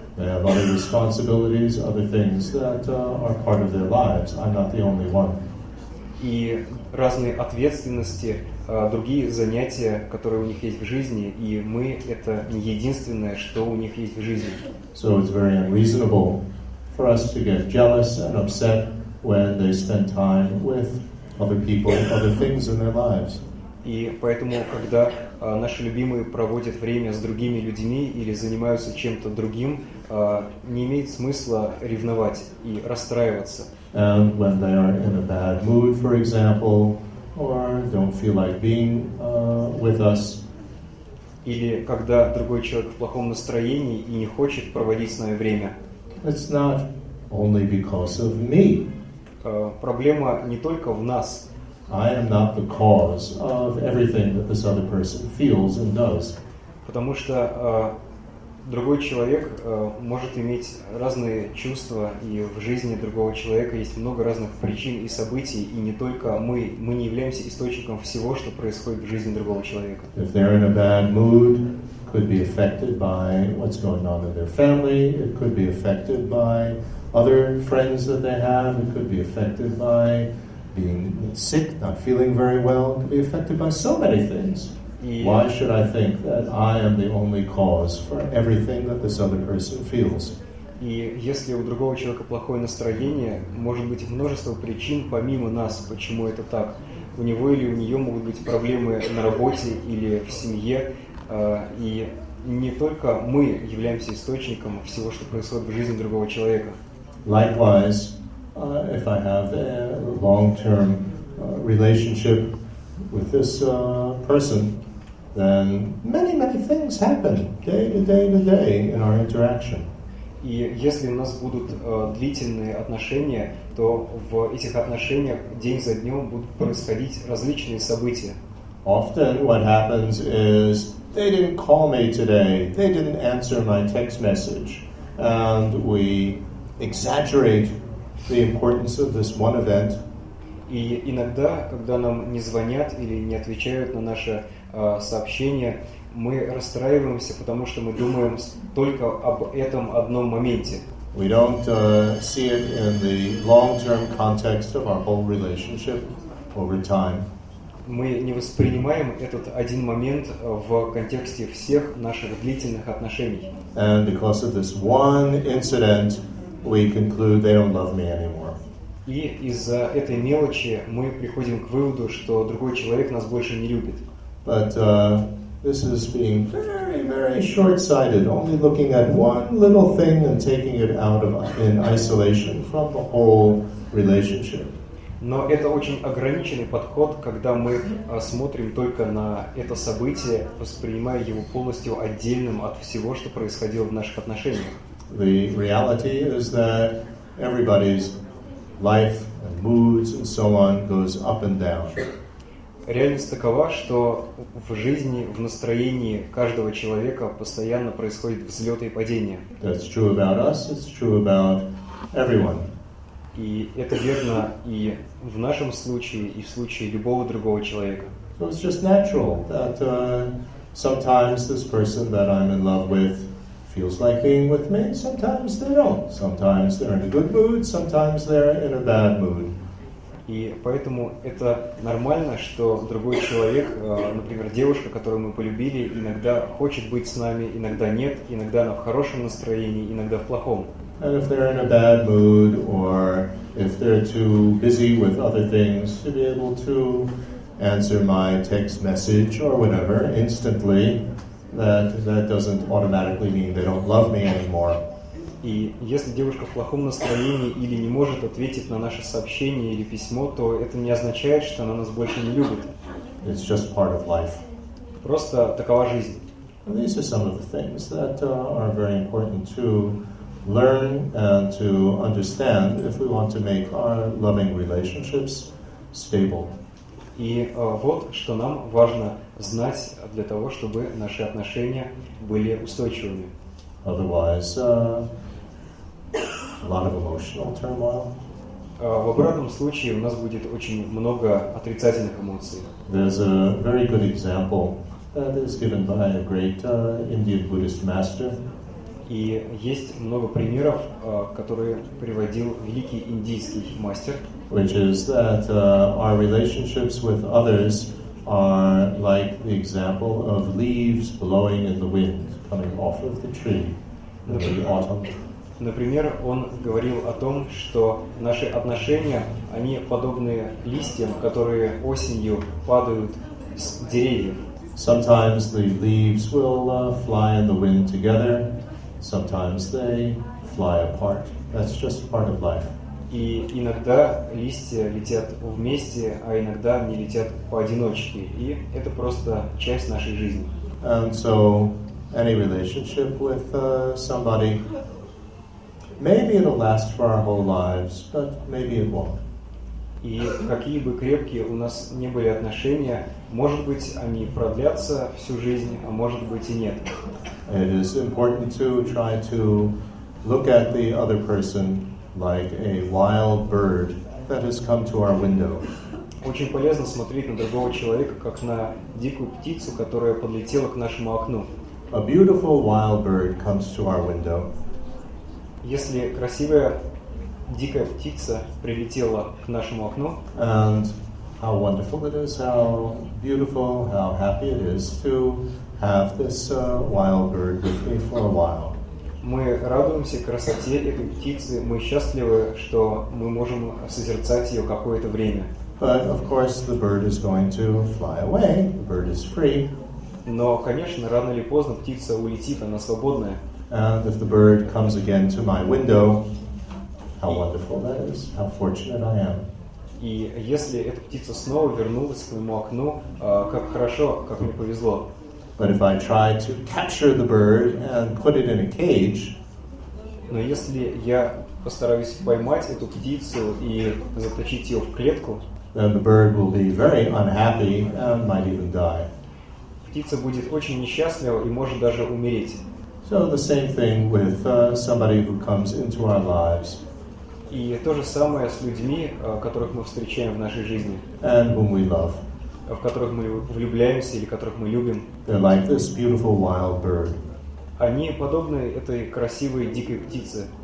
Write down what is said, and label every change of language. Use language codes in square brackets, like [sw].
[en] They have other responsibilities, other things that are part of their lives. I'm not the only one. [ru] И разные ответственности, другие занятия, которые у них есть в жизни, и мы — это не единственное, что у них есть в жизни. [en] So it's very unreasonable for us to get jealous and upset when they spend time with other people, other things in their lives. [ru] И поэтому, когда наши любимые проводят время с другими людьми или занимаются чем-то другим, не имеет смысла ревновать и расстраиваться. [en] And when they are in a bad mood, for example, or don't feel like being with us. [ru] Или когда другой человек в плохом настроении и не хочет проводить с нами время. [en] It's not only because of me. [ru] Проблема не только в нас. [en] I am not the cause of everything that this other person feels and does. [ru] Потому что другой человек может иметь разные чувства, и в жизни другого человека есть много разных причин и событий, и не только мы не являемся источником всего, что происходит в жизни другого человека. [en] If they're in a bad mood, could be affected by what's going on in their family, it could be affected by other friends that they have, it could be affected by being sick, not feeling very well, it could be affected by so many things. Yeah. Why should I think that I am the only cause for everything that this other person feels? [ru] И если у другого человека плохое настроение, может быть множество причин помимо нас, почему это так. У него или у нее могут быть проблемы на работе или в семье, и не только мы являемся источником всего, что происходит в жизни другого человека. [en] Likewise, if I have a long-term relationship with this person, then many things happen day to day in our interaction. [ru] И если у нас будут длительные отношения, то в этих отношениях день за днем будут происходить различные события. [en] Often what happens is they didn't call me today, they didn't answer my text message, and we exaggerate the importance of this one event. [ru] И иногда, когда нам не звонят или не отвечают на наши сообщения, мы расстраиваемся, потому что мы думаем только об этом одном моменте. [en] We don't see it in the long-term context of our whole relationship over time. [ru] Мы не воспринимаем этот один момент в контексте всех наших длительных отношений. [en] And because of this one incident, we conclude they don't love me anymore. [ru] И из-за этой мелочи мы приходим к выводу, что другой человек нас больше не любит. [en] But this is being very, very short-sighted, only looking at one little thing and taking it out of in isolation from the whole relationship. [ru] Но это очень ограниченный подход, когда мы смотрим только на это событие, воспринимая его полностью отдельным от всего, что происходило в наших отношениях. [en] The reality is that everybody's life and moods and so on goes up and down. [ru] Реальность такова, что в жизни, в настроении каждого человека постоянно происходят взлеты и падения. [en] That's true about us, it's true about everyone. [ru] И это верно и в нашем случае, и в случае любого другого человека. [en] So it's just natural that sometimes this person that I'm in love with feels like being with me, sometimes they don't. Sometimes they're in a good mood, sometimes they're in a bad mood. [ru] И поэтому это нормально, что другой человек, например, девушка, которую мы полюбили, иногда хочет быть с нами, иногда нет, иногда она в хорошем настроении, иногда в плохом. [en] And if they're in a bad mood, or if they're too busy with other things to be able to answer my text message or whatever instantly, that doesn't automatically mean they don't love me anymore. [ru] И если девушка в плохом настроении или не может ответить на наше сообщение или письмо, то это не означает, что она нас больше не любит. [en] It's just part of life. [ru] Просто такова жизнь. [en] These are some of the things that are very important to learn and to understand if we want to make our loving relationships stable. [ru] И вот что нам важно знать для того, чтобы наши отношения были устойчивыми. [en] Otherwise, a lot of emotional turmoil. [ru] В обратном случае у нас будет очень много отрицательных эмоций. [en] There's a very good example that is given by a great Indian Buddhist master. [ru] И есть много примеров, которые приводил великий индийский мастер. [en] Which is that our relationships with others are like the example of leaves blowing in the wind, coming off of the tree in the autumn. [ru] Например, он говорил о том, что наши отношения, они подобны листьям, которые осенью падают с деревьев. [en] Sometimes the leaves will fly in the wind together, sometimes they fly apart. That's just part of life. [ru] И иногда листья летят вместе, а иногда они летят поодиночке. И это просто часть нашей жизни. [en] And so any relationship with somebody, maybe it'll last for our whole lives, but maybe it won't. [ru] И какие бы крепкие у нас не были отношения, может быть, они продлятся всю жизнь, а может быть и нет. [en] It is important to try to look at the other person like a wild bird that has come to our window. [ru] Очень полезно смотреть на другого человека, как на дикую птицу, которая подлетела к нашему окну. [en] A beautiful wild bird comes to our window. [ru] Если красивая дикая птица прилетела к нашему окну. [en] And how wonderful it is, how beautiful, how happy it is to have this wild bird with me for a while. [ru] Мы радуемся красоте этой птицы, мы счастливы, что мы можем созерцать ее какое-то время. [en] But of course the bird is going to fly away, the bird is free. [ru] Но, конечно, рано или поздно птица улетит, она свободная. [en] And if the bird comes again to my window, how wonderful that is, how fortunate I am. [ru] И если эта птица снова вернулась к моему окну, как хорошо, как мне повезло. [en] But if I try to capture the bird and put it in a cage, [ru] но если я постараюсь поймать эту птицу и заточить ее в клетку, [en] then the bird will be very unhappy and might even die. [ru] Птица будет очень несчастлива и может даже умереть. [en] So the same thing with somebody who comes into our lives. [ru] И то же самое с людьми, которых мы встречаем в нашей жизни. [en] And whom we love. [ru] В которых мы влюбляемся или которых мы любим. [en] They're like this beautiful wild bird. [ru] Они подобны этой красивой дикой птице.